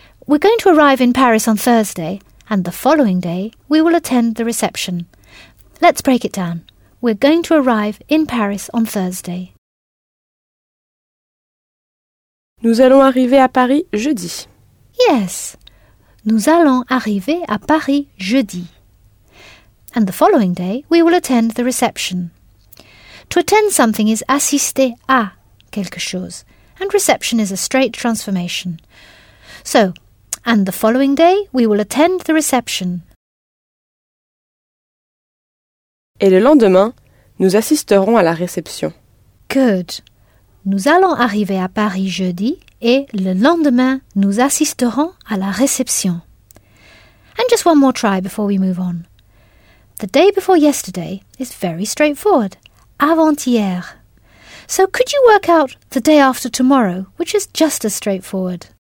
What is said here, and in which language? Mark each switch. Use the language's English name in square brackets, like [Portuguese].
[English] We're going to arrive in Paris on Thursday, and the following day we will attend the reception. Let's break it down. We're going to arrive in Paris on Thursday. [French] Nous allons arriver à Paris jeudi. [English] Yes. [French] Nous allons arriver à Paris jeudi. [English] And the following day, we will attend the reception. To attend something is [French] assister à quelque chose, [English] and reception is a straight transformation. So, and the following day, we will attend the reception. [French] Et le lendemain, nous assisterons à la réception. [English] Good. [French] Nous allons arriver à Paris jeudi et le lendemain, nous assisterons à la réception. [English] And just one more try before we move on. The day before yesterday is very straightforward. Avant-hier. So could you work out the day after tomorrow, which is just as straightforward?